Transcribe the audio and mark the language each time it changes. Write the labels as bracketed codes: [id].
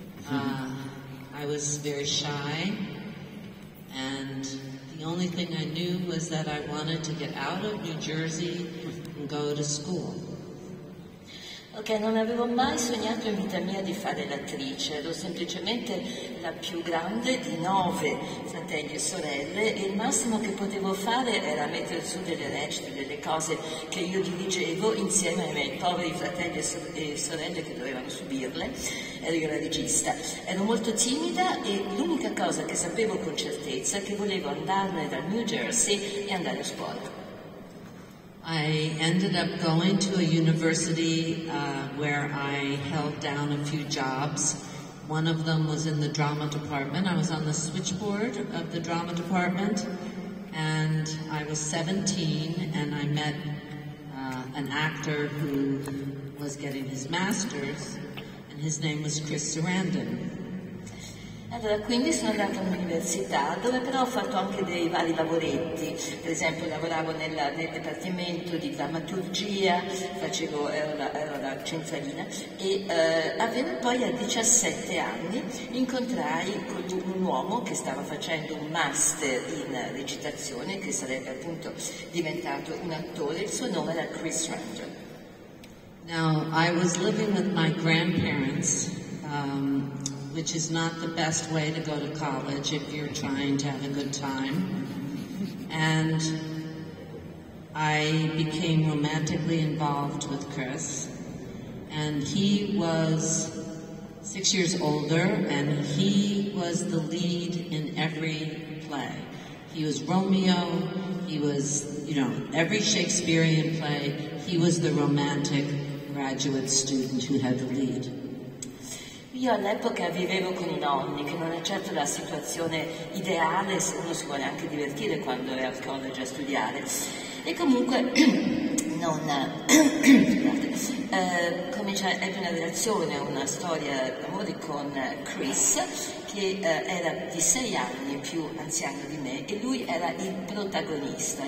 [en] I was very shy, and the only thing I knew was that I wanted to get out of New Jersey and go to school. [it] Ok, non avevo mai sognato in vita mia di fare l'attrice, ero semplicemente la più grande di nove fratelli e sorelle e il massimo che potevo fare era mettere su delle recite, delle cose che io dirigevo insieme ai miei poveri fratelli e sorelle che dovevano subirle, ero io la regista. Ero molto timida e l'unica cosa che sapevo con certezza è che volevo andarne dal New Jersey e andare a scuola. [en] I ended up going to a university where I held down a few jobs. One of them was in the drama department. I was on the switchboard of the drama department, and I was 17, and I met an actor who was getting his master's, and his name was Chris Sarandon. [it] Allora, quindi sono andata all'università, dove però ho fatto anche dei vari lavoretti. Per esempio, lavoravo nel dipartimento di drammaturgia, ero la centralina, e avevo poi a 17 anni incontrai un uomo che stava facendo un master in recitazione, che sarebbe appunto diventato un attore. Il suo nome era Chris Randall. [en] Now, I was living with my grandparents, which is not the best way to go to college if you're trying to have a good time. And I became romantically involved with Chris. And he was 6 years older, and he was the lead in every play. He was Romeo, he was, you know, every Shakespearean play, he was the romantic graduate student who had the lead. [it] Io all'epoca vivevo con i nonni, che non è certo la situazione ideale se uno si vuole anche divertire quando è al college a studiare. E comunque ebbe una relazione, una storia d'amore con Chris, che era di 6 anni più anziano di me, e lui era il protagonista.